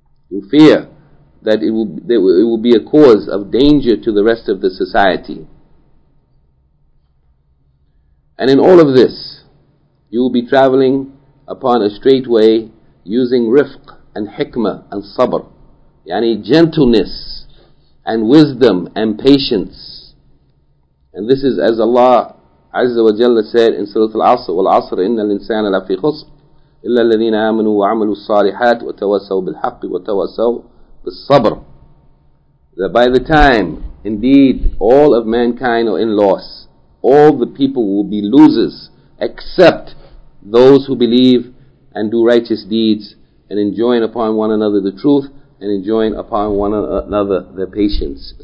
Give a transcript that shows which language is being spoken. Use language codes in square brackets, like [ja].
[en] You fear that it will be a cause of danger to the rest of the society. And in all of this, you will be traveling upon a straight way using rifq and hikmah and sabr, yani gentleness and wisdom and patience. And this is as Allah Azza wa Jalla said in Surah Al-Asr, [ar] وَالْعَصْرِ إِنَّ الْإِنسَانَ لَفِي خُسْرٍ إِلَّا الَّذِينَ آمَنُوا وَعَمَلُوا الصَّالِحَاتِ وَتَوَسَّوْا بِالْحَقِّ وَتَوَسَّوْا بِالصَّبْرِ. [en] That by the time, indeed, all of mankind are in loss, all the people will be losers, except those who believe and do righteous deeds, and enjoin upon one another the truth, and enjoin upon one another their patience.